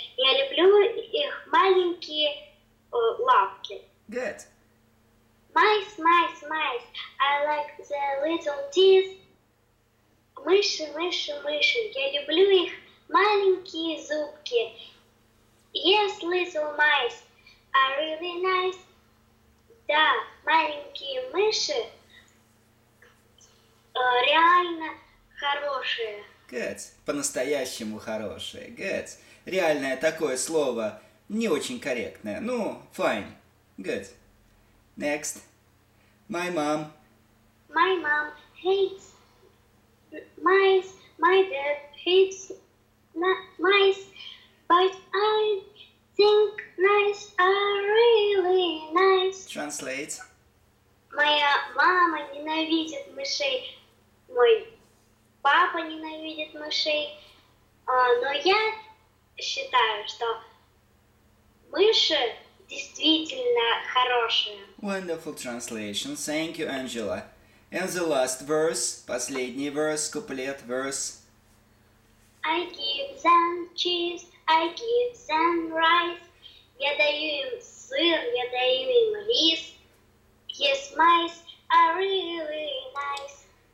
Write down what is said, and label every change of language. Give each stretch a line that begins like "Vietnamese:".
Russian: Я люблю их маленькие лапки.
English: Good. Mice, mice, mice. I like the little teeth.
Russian: Мыши, мыши, мыши. Я люблю их маленькие зубки.
English: Yes, little mice are really nice.
Russian: Да, маленькие мыши реально хорошие.
English: Good.
Russian: По-настоящему хорошее. Good. Реальное такое слово не очень корректное.
English: Ну, fine. Good. Next. My mom. My mom hates mice. My dad hates mice. But I think mice are really nice. Translate.
Russian: Моя мама ненавидит мышей. Мой папа ненавидит мышей, но я считаю, что мыши действительно хорошая.
English: Wonderful translation. Thank you, Angela. And the last verse,
Russian: последний
English: verse, couplet verse. I give them cheese, I give them rice.
Russian: Я даю им сыр, я даю им рис.
English: Yes, mice are really nice.